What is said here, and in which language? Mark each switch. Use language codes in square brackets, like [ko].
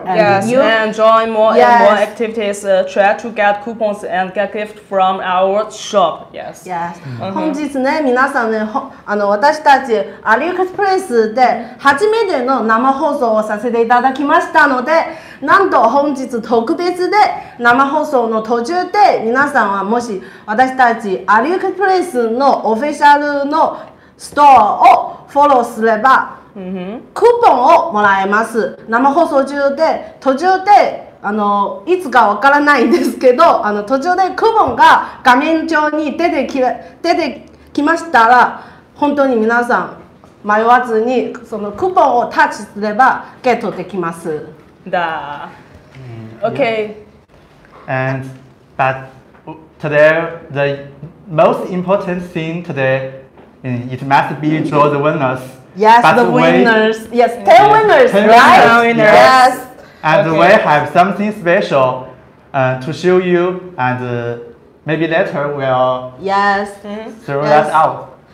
[en] And yes, you can join more and more activities, try to get coupons and get gift from our shop. Yes. Yes. Today, everyone, I am the first AliExpress to do the live show. [ja] なんと本日特別で生放送の途中で皆さんはもし私たちアリエクスプレスのオフィシャルのストアをフォローすればクーポンをもらえます。生放送中で途中でいつかわからないんですけど途中でクーポンが画面上に出てきましたら本当に皆さん迷わずにそのクーポンをタッチすればゲットできます。 [en] Okay. But today, the most important thing today, it must be draw the winners. Yes, but the winners. Yes, 10 winners, right? 10 winners. Yes. And we have something special to show you, and maybe later we'll throw that out.